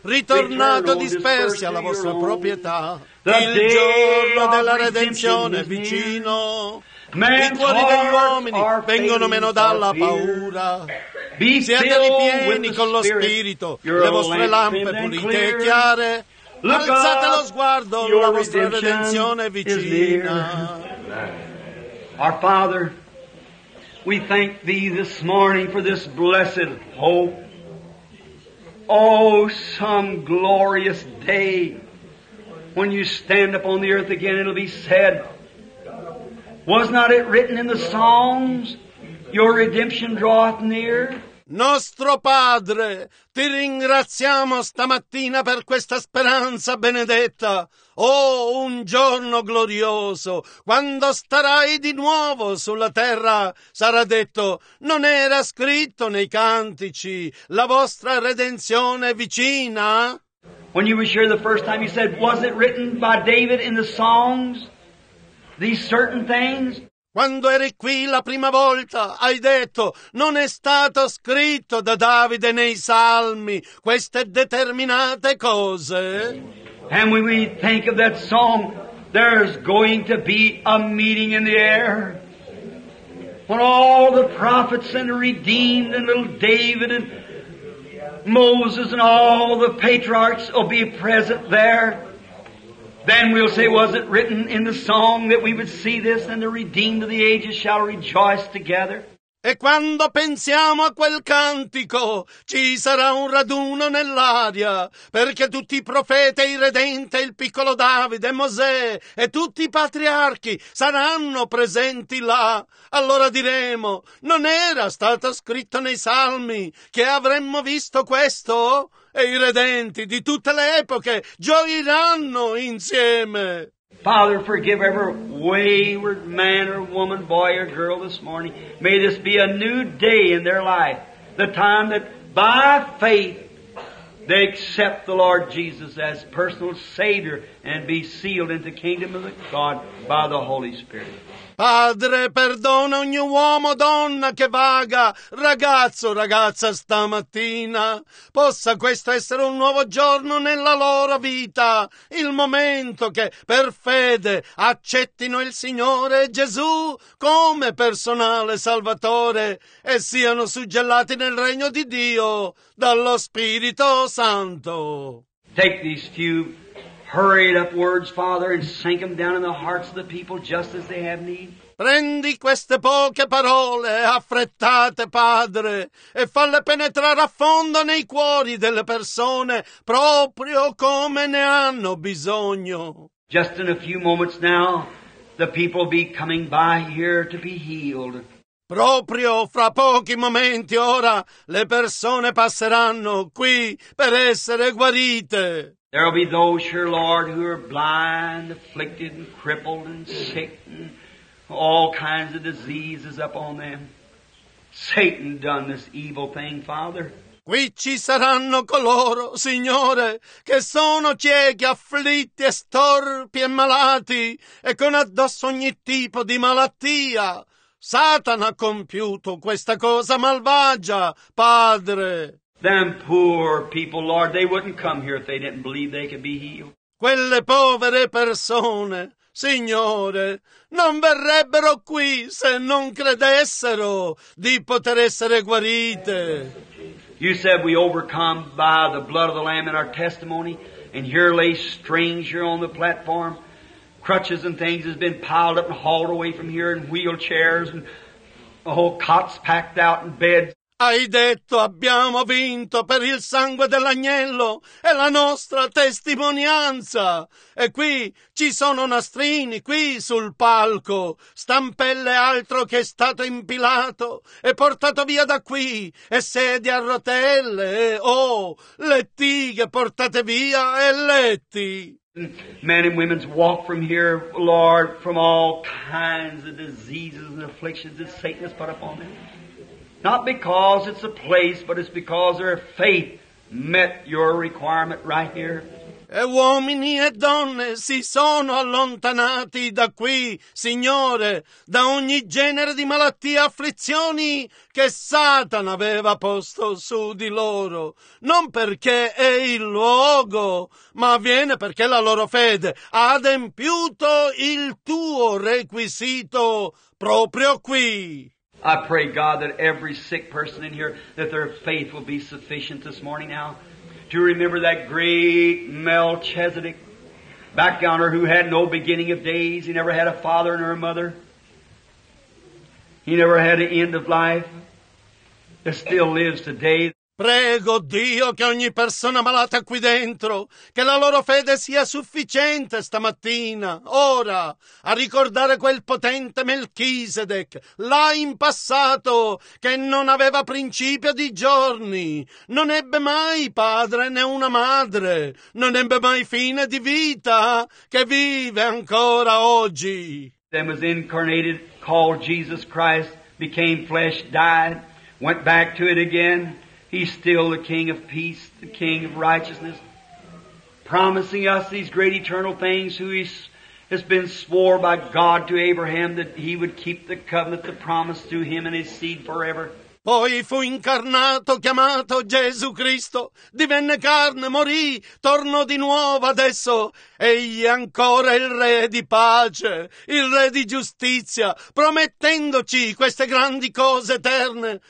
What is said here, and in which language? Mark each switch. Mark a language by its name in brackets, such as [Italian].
[Italian] Ritornate dispersi alla vostra proprietà. Il giorno della redenzione è vicino. I cuori degli uomini vengono meno dalla paura. Siete ripieni con lo Spirito, le vostre lampe pulite e chiare. Alzate lo sguardo, la vostra redenzione è vicina. [English] Our Father, we thank Thee this morning for this blessed hope. Oh, some glorious day when you stand upon the earth again, it'll be said, was not it written in the Psalms, your redemption draweth near? [Italian] Nostro Padre, ti ringraziamo stamattina per questa speranza benedetta. Oh, un giorno glorioso, quando starai di nuovo sulla terra, sarà detto, non era scritto nei cantici, la vostra redenzione è vicina? [English] When you were here the first time, you said, was it written by David in the Psalms? These certain things. [Italian] Quando eri qui la prima volta, hai detto, non è stato scritto da Davide nei Salmi queste determinate cose. [English] And when we think of that song, there's going to be a meeting in the air. When all the prophets and the redeemed and little David and Moses and all the patriarchs will be present there, then we'll say, was it written in the song that we would see this, and the redeemed of the ages shall rejoice together? [Italian] E quando pensiamo a quel cantico, ci sarà un raduno nell'aria, perché tutti i profeti, il redente, il piccolo Davide, Mosè e tutti i patriarchi saranno presenti là. Allora diremo, non era stato scritto nei salmi che avremmo visto questo? E i redenti di tutte le epoche gioiranno insieme. [English] Father, forgive every wayward man or woman, boy or girl this morning. May this be a new day in their life, the time that by faith they accept the Lord Jesus as personal Savior and be sealed into the kingdom of God by the Holy Spirit. [Italian] Padre, perdona ogni uomo, donna che vaga, ragazzo, ragazza stamattina. Possa questo essere un nuovo giorno nella loro vita, il momento che per fede accettino il Signore Gesù come personale Salvatore e siano suggellati nel regno di Dio dallo Spirito Santo. [English] Take these few hurried up words, Father, and sink them down in the hearts of the people just as they have need. [Italian] Prendi queste poche parole, affrettate, Padre, e falle penetrare a fondo nei cuori delle persone proprio come ne hanno bisogno. [English] Just in a few moments now, the people be coming by here to be healed. [Italian] Proprio fra pochi momenti ora, le persone passeranno qui per essere guarite. [English] There will be those, sure, Lord, who are blind, afflicted, and crippled, and sick, and all kinds of diseases upon them. Satan done this evil thing, Father. [Italian] Qui ci saranno coloro, Signore, che sono ciechi, afflitti, e storpi e malati, e con addosso ogni tipo di malattia. Satana ha compiuto questa cosa malvagia, Padre. [English] Them poor people, Lord, they wouldn't come here if they didn't believe they could be healed. [Italian] Quelle povere persone, Signore, non verrebbero qui se non credessero di poter essere guarite. [English] You said we overcome by the blood of the Lamb in our testimony, and here lay stranger on the platform. Crutches and things has been piled up and hauled away from here, and wheelchairs and the whole cots packed out and beds. [Italian] Hai detto abbiamo vinto per il sangue dell'agnello e la nostra testimonianza. E qui ci sono nastrini, qui sul palco, stampelle altro che è stato impilato e portato via da qui, e sedie a rotelle, oh, lettighe portate via e letti. [English] Men and women's walk from here, Lord, from all kinds of diseases and afflictions that Satan has put upon them. Not because it's a place, but it's because their faith met your requirement right here. [Italian] E uomini e donne si sono allontanati da qui, Signore, da ogni genere di malattie e afflizioni che Satana aveva posto su di loro. Non perché è il luogo, ma avviene perché la loro fede ha adempiuto il tuo requisito proprio qui. [English] I pray, God, that every sick person in here, that their faith will be sufficient this morning now to remember that great Melchizedek back yonder who had no beginning of days. He never had a father nor a mother. He never had an end of life. It still lives today. [Italian] Prego Dio che ogni persona malata qui dentro, che la loro fede sia sufficiente stamattina, ora, a ricordare quel potente Melchisedek, là in passato, che non aveva principio di giorni, non ebbe mai padre né una madre, non ebbe mai fine di vita, che vive ancora oggi. [English] Then was incarnated, called Jesus Christ, became flesh, died, went back to it again. He's still the King of peace, the King of righteousness, promising us these great eternal things, who has been swore by God to Abraham that he would keep the covenant, the promise to him and his seed forever. [Italian] Poi fu incarnato, chiamato Gesù Cristo, divenne carne, morì, tornò di nuovo adesso. Egli è ancora il re di pace, il re di giustizia, promettendoci queste grandi cose eterne.